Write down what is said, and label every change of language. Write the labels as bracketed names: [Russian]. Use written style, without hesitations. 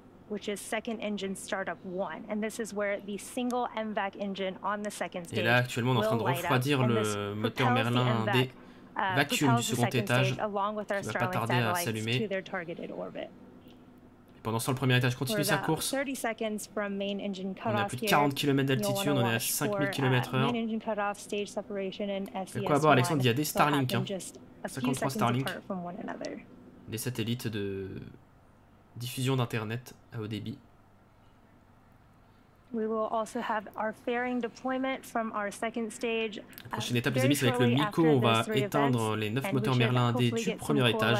[English] Which is second engine startup one, and this is where the single MVAC engine on the second stage. [French] Et là, actuellement, on est en train de refroidir le moteur Merlin D, vacuum du second étage, qui va pas tarder à s'allumer. Et pendant ce temps, le premier étage continue sa course. On a plus de 40 km d'altitude, on est à 5000 km/h. De quoi avoir, Alexandre, il y a des Starlink, hein. 53 Starlink, des satellites de diffusion d'internet à haut débit. [English] We will also have our fairing deployment from our second stage. [French] La prochaine étape, les amis, c'est avec le Miko, on va éteindre les 9 moteurs Merlin D du premier étage.